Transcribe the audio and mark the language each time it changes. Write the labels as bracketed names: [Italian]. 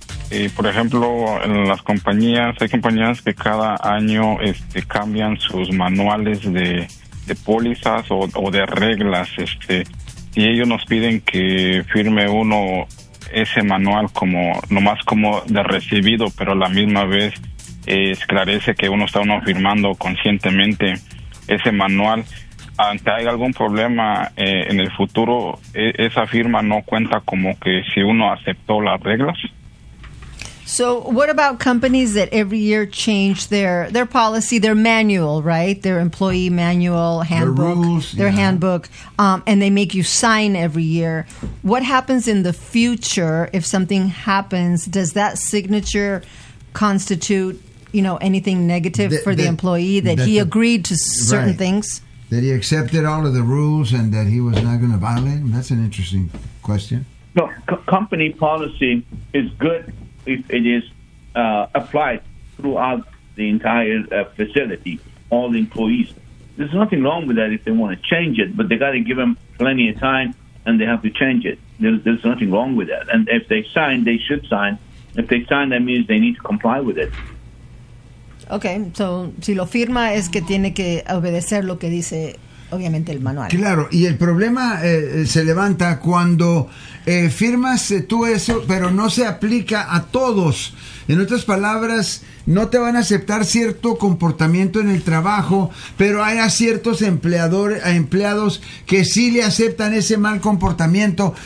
[Spanish] Y por ejemplo, en las compañías, hay compañías que cada año cambian sus manuales de pólizas o de reglas, y ellos nos piden que firme uno ese manual como nomás como de recibido, pero a la misma vez esclarece que uno está firmando conscientemente ese manual. Ante algún problema en el futuro, esa firma no cuenta como que si uno aceptó las reglas. [English] So what about companies that every year change their policy, their manual, right? Their employee manual, handbook, their rules, handbook, and they make you sign every year. What happens in the future if something happens? Does that signature constitute, you know, anything negative for the employee that he agreed to certain things? That he accepted all of the rules and that he was not going to violate them? That's an interesting question. No, company policy is good if it is applied throughout the entire facility, all the employees. There's nothing wrong with that if they want to change it, but they got to give them plenty of time and they have to change it. There's nothing wrong with that. And if they sign, they should sign. If they sign, that means they need to comply with it. Okay, so [Spanish] si lo firma es que tiene que obedecer lo que dice obviamente el manual. Claro, y el problema se levanta cuando firmas tú eso, pero no se aplica a todos. En otras palabras, no te van a aceptar cierto comportamiento en el trabajo, pero hay a ciertos empleados que sí le aceptan ese mal comportamiento.